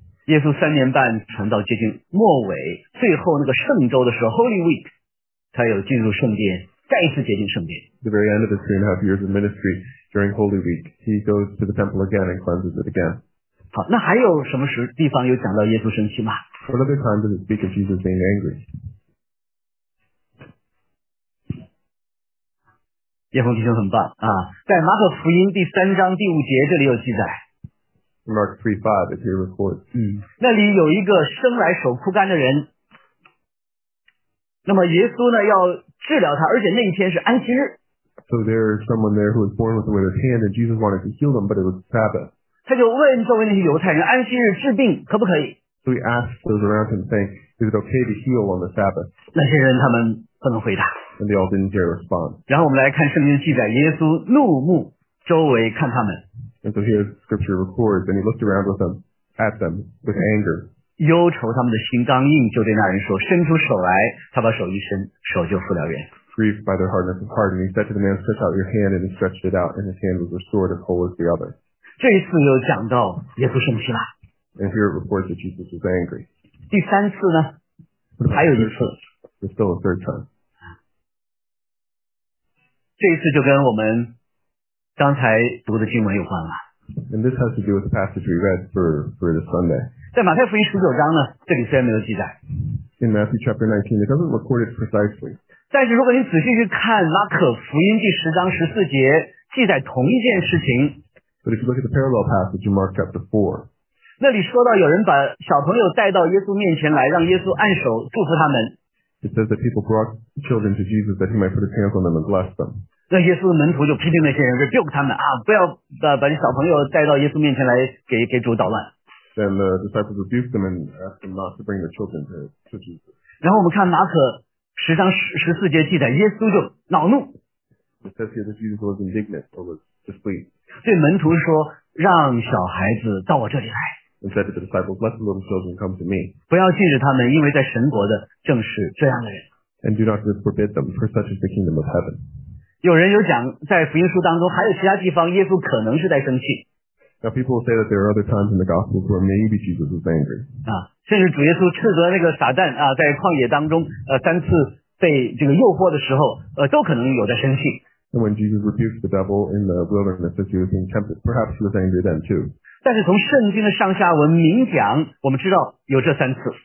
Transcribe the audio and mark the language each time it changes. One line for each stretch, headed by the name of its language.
Chinese: 耶稣三年半传道接近末尾，最后那个圣周的时候 ，Holy Week， 他有进入圣殿，再一次洁净圣殿。
English: The very end of his 3.5 years of ministry during Holy Week, he goes to the temple again and cleanses it again.
Chinese: 好，那还有什么地方有讲到耶稣生气吗？
English: What other time does it speak of Jesus being angry?
Chinese: 叶峰弟兄很棒啊，在马可福音3:5这里有记载。
English: Mark 3:5 is here recorded.
Chinese: 嗯，那里有一个生来手枯干的人，那么耶稣呢要治疗他，而且那一天是安息日。
English: So there is someone there who was born with a withered hand, and Jesus wanted to heal them, but it was Sabbath.
Chinese: 他就问周围那些犹太人，安息日治病可不可以？
English: So he asked those around him, saying, "Is it okay to heal on the Sabbath?"
Chinese: 那些人他们不能回答。
English: And they all didn't dare respond.
Chinese: 然后我们来看圣经记载，耶稣怒目周围看他们。
English: And so here scripture records, and he looked around with them, at them with anger.
Chinese: 忧愁他们的心刚硬，就对那人说，伸出手来。他把手一伸，手就复了原。
English: Grieved by their hardness of heart, and he said to the man, "Stretch out your hand." And he stretched it out, and his hand was restored as whole as the other.
Chinese: 这一次又讲到耶稣生气了。
English: And here it reports that Jesus was angry.
Chinese: 第三次呢？还有一次。
English: There's still a third time.
Chinese: 这一次就跟我们刚才读的经文有关了。
English: And this has to do with the passage we read for this Sunday.
Chinese: 在马太福音十九章呢，这里虽然没有记载。
English: In Matthew chapter 19, it doesn't record it precisely.
Chinese: 但是如果你仔细去看马可福音第十章十四节，记载同一件事情。
English: But if you look at the parallel passage in Mark chapter 4,
Chinese: 那里说到有人把小朋友带到耶稣面前来，让耶稣按手祝福他们。
English: It says that people brought children to Jesus that he might put his hands on them and bless them.
Chinese: 那耶稣的门徒就批评那些人，就丢他们啊，不要把你小朋友带到耶稣面前来给主捣乱。
English: Then the disciples rebuked them and asked them not to bring the children to Jesus.
Chinese: 然后我们看马可十章十四节记载，耶稣就恼怒。
English: It says here that Jesus was indignant or was displeased.
Chinese: 对门徒说，让小孩子到我这里来。
English: And said to the disciples, let the little children come to me.
Chinese: 不要禁止他们，因为在神国的正是这样的人。
English: And do not forbid them, for such is the kingdom of heaven.
Chinese: 有人有讲，在福音书当中还有其他地方，耶稣可能是在生气。
English: Now people will say that there are other times in the Gospels where maybe Jesus is angry.
Chinese: 啊，甚至主耶稣斥责那个撒旦啊，在旷野当中三次被这个诱惑的时候都可能有在生气。
English: And when Jesus rebuked the devil in the wilderness as he was being tempted, perhaps he was angry then too.
Chinese: 但是从圣经的上下文明讲，我们知道有这三次。